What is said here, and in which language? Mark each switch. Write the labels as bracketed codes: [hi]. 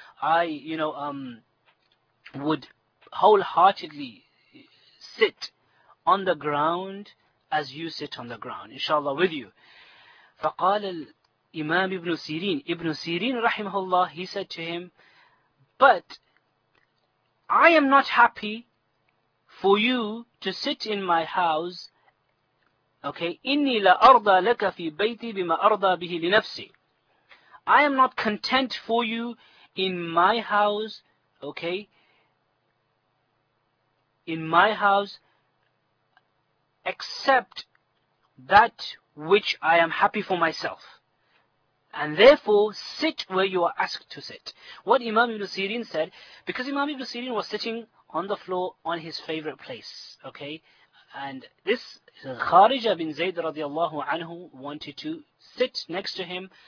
[en] I, you know, would wholeheartedly sit on the ground as you sit on the ground, inshallah, with you. [ar] فَقَالَ الْإِمَامِ إِبْنُ سِيرِينَ إِبْنُ سِيرِينَ رَحِمَهُ اللَّهُ. [en] He said to him, but I am not happy for you to sit in my house. [ar] Okay, إِنِّي لَأَرْضَى لَكَ فِي بَيْتِي بِمَا أَرْضَى بِهِ لِنَفْسِي. [en] I am not content for you in my house, okay, in my house, except that which I am happy for myself. And therefore, sit where you are asked to sit. What Imam Ibn Sirin said, because Imam Ibn Sirin was sitting on the floor on his favorite place, okay, and this Kharija bin Zayd radiallahu anhu wanted to sit next to him.